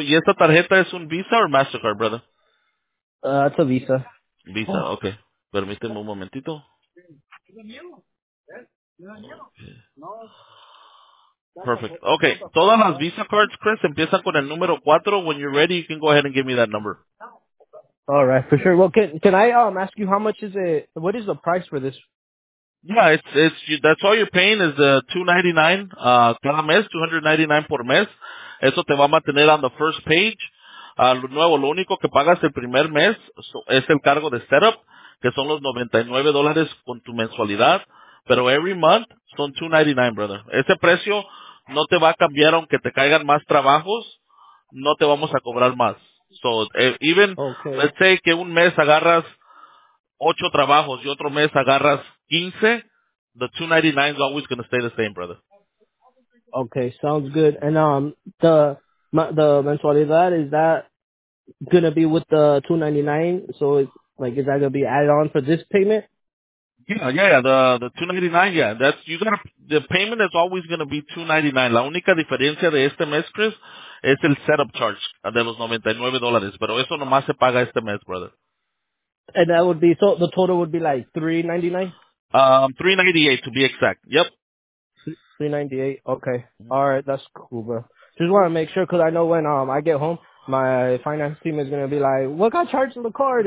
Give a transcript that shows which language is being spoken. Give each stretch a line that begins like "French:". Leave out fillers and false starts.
Spanish: ¿Y esta tarjeta es un
English: Visa or MasterCard, brother? It's a Visa.
Spanish: Visa, okay. Permíteme un momentito.
English: Perfect.
Spanish: Okay, todas las Visa cards, Chris, empiezan con el número 4.
English: When you're ready, you can go ahead and give me that number. All right, for sure. Well, can I ask you how much is it? What is the price for this? Yeah, it's you, that's all you're paying is $299
Spanish: cada mes, $299 por mes. Eso te va a mantener
English: on the first page.
Spanish: Nuevo, lo único que pagas el primer mes es el cargo de setup, que son los $99 con tu mensualidad. Pero
English: every month
Spanish: son $299, brother. Ese precio no te va a cambiar aunque te caigan más trabajos, no te vamos a cobrar más.
English: So even, okay, let's say
Spanish: que un mes agarras
English: 8 trabajos y otro mes agarras 15, the $299 is always going to stay the same, brother. Okay, sounds good. And the mensualidad, is that going to be with the $299? So it's like, is that going to be added on for this payment? Yeah. The $299, yeah. That's, you gotta, the payment is always going to be $299.
Spanish: La única diferencia de este mes, Chris, es el setup charge de los $99. Pero eso nomás se paga este mes, brother.
English: And that would be, so the total would be like $399? $398 to be exact. Yep. $398. Okay. All right. That's cool, bro. Just want to make sure, because I know when I get home, my finance team is going to be like, what got charged on the card?